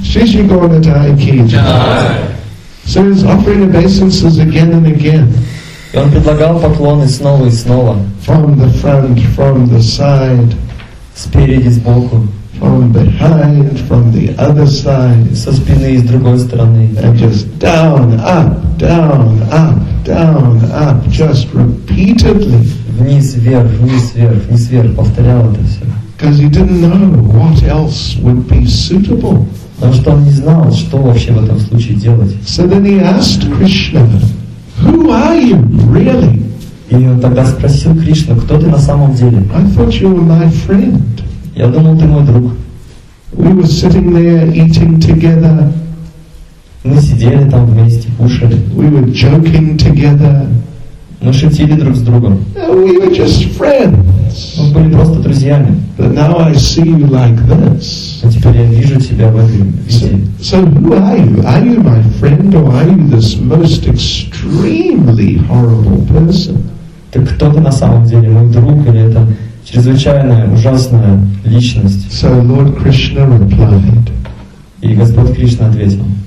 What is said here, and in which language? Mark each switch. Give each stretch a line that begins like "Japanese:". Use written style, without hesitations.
English: Shishi Gaurnatai Ki. So he's offering obeisances again and again.
Russian: И он предлагал поклоны снова и снова.
English: From the front, from the side.
Russian: Спереди, сбоку.
English: From behind, from the other side.
Russian: Со спины и с другой стороны.
English: And just down, up, down, up, down, up, just repeatedly.
Russian: Вниз, вверх, вниз, вверх, вниз, вверх. Повторял это все.
English: Because he didn't know what else would be suitable.
Russian: Потому что он не знал, что вообще в этом случае делать.
English: So then he asked Krishna, "Who are you, really?"
Russian: И он тогда спросил Кришну, кто ты на самом деле?
English: I thought you were my friend.
Russian: Я думал, ты мой друг.
English: We were sitting there eating together.
Russian: Мы сидели там вместе, кушали.
English: We were joking together.
Russian: Мы шутили друг с другом.
English: We were just friends.
Russian: Мы были просто друзьями.
English: But now I see you like this.
Russian: А теперь я вижу тебя в этом виде.
English: So who are you? Are you my friend or are you this most extremely horrible person?
Russian: Так кто ты на самом деле, мой друг или это чрезвычайная ужасная личность?
English: So Lord Krishna replied.
Russian: И Господь Кришна ответил.